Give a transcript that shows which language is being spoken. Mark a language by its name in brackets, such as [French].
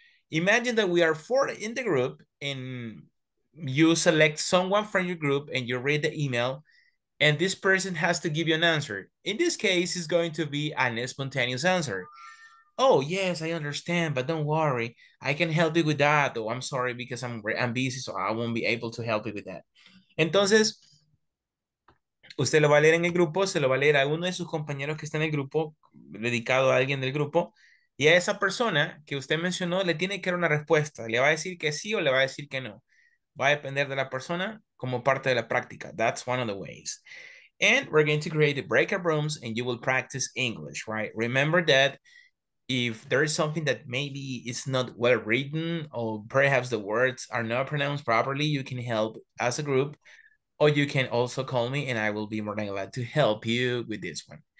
[English] Imagine that we are four in the group, and you select someone from your group, and you read the email, and this person has to give you an answer. In this case, it's going to be a spontaneous answer. Oh, yes, I understand, but don't worry. I can help you with that, though. I'm sorry, because I'm busy, so I won't be able to help you with that. [Spanish] Entonces, usted lo va a leer en el grupo, se lo va a leer a uno de sus compañeros que está en el grupo, dedicado a alguien del grupo, y a esa persona que usted mencionó le tiene que dar una respuesta. Le va a decir que sí o le va a decir que no. Va a depender de la persona como parte de la práctica. [English] That's one of the ways. And we're going to create the breakout rooms and you will practice English, right? Remember that if there is something that maybe is not well written or perhaps the words are not pronounced properly, you can help as a group, or you can also call me and I will be more than glad to help you with this one.